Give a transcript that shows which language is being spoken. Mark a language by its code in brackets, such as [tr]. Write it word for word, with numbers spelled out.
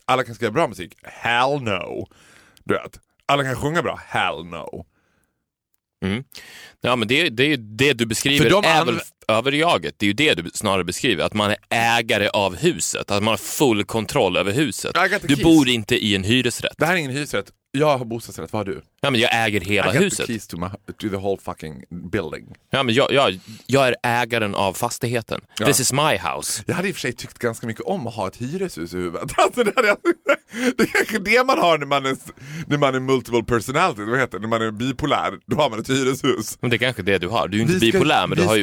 [sv] Alla kan skriva bra musik, [en] hell no. [sv] Du vet, alla kan sjunga bra, hell no. Mm. Ja, men det, det är ju det du beskriver de även anv- över jaget. Det är ju det du snarare beskriver. Att man är ägare av huset. Att man har full kontroll över huset. Du bor inte i en hyresrätt. Det här är ingen hyresrätt. Jag har bostadsrätt, vad har du? Ja, men jag äger hela [en] I [sv] huset. [en] I got the keys to, my, to the whole fucking building. [sv] Ja, men jag, jag, jag är ägaren av fastigheten. [en] Ja. This is my house. [sv] Jag hade i och för sig tyckt ganska mycket om att ha ett hyreshus i huvudet. Alltså, det, hade jag, det är kanske det man har när man är, när man är [en] multiple personality. [sv] Vad heter det? När man är bipolär, då har man ett hyreshus. Men det är kanske det du har. Du är ju vi inte ska, bipolär, men du har ju...